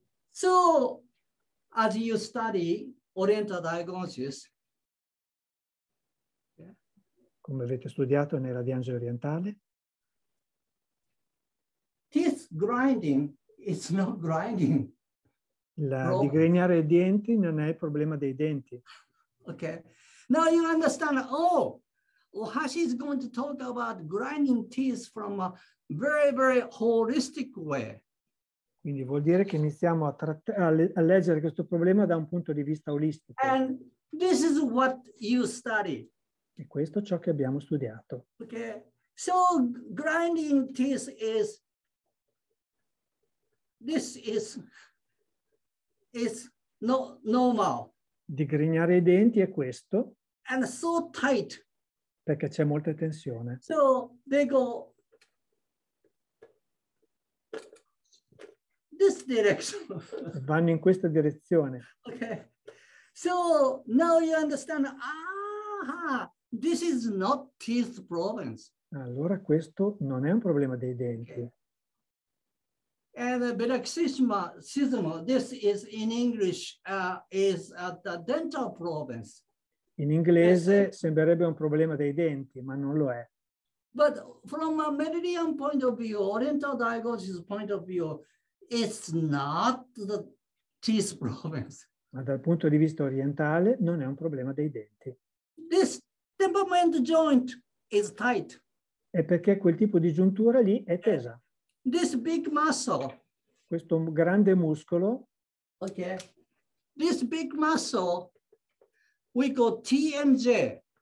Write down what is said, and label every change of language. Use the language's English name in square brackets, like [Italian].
[English] So as you study oriental diagnosis. [Italian] Come avete studiato nella diagnosi orientale? [English] Teeth grinding is not grinding. [Italian] La digrignare i denti non è il problema dei denti. Ok. [English] Now you understand, oh, Ohashi is going to talk about grinding teeth from a very, very holistic way. [Italian] Quindi vuol dire che iniziamo a leggere questo problema da un punto di vista olistico. [English] And this is what you study. [Italian] E questo è ciò che abbiamo studiato. [English] Ok. So grinding teeth is... This is... It's not normal. [Italian] Digrignare i denti è questo. [English] And so tight. [Italian] Perché c'è molta tensione. [English] So they go this direction. [Italian] Vanno in questa direzione. [English] Okay. So now you understand. Ah, this is not teeth problems. [Italian] Allora questo non è un problema dei denti. Okay. [English] And bruxismo, this is in English, is the dental problems. [Italian] In inglese sembrerebbe un problema dei denti, ma non lo è. [English] But from a meridian point of view, oriental diagnosis point of view, it's not the teeth problems. [Italian] Ma dal punto di vista orientale non è un problema dei denti. [English] This temperament joint is tight. [Italian] È perché quel tipo di giuntura lì è tesa. [English] This big muscle, [Italian] questo grande muscolo, [English] okay. This big muscle, we call TMJ.